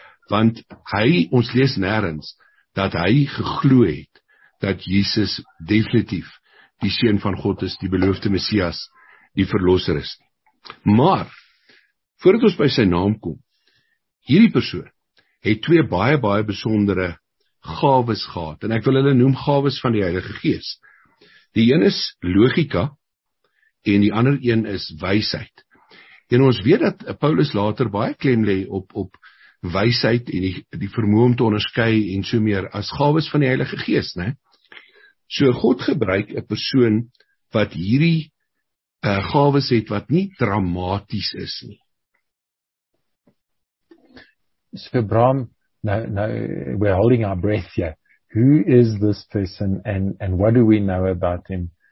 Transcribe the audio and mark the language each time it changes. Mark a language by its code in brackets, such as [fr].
[af] Want hy, ons lees nêrens, dat hy geglo het dat Jesus definitief die Seun van God is, die beloofde Messias, die Verlosser is. Maar, voordat ons by sy naam kom, hierdie persoon het twee baie, baie besondere gawes gehad, en ek wil hulle noem gawes van die Heilige Gees. Die een is logika, en die ander een is wysheid. En ons weet dat Paulus later baie klem lê op wysheid en die vermoë om te onderskei en so meer as gawes van die Heilige Gees, né? So God gebruik 'n persoon wat hierdie gawes het wat nie dramaties is nie. [en] So Bram, [af] nou [en] we're holding our breath here. Who is this person and what do we know about him?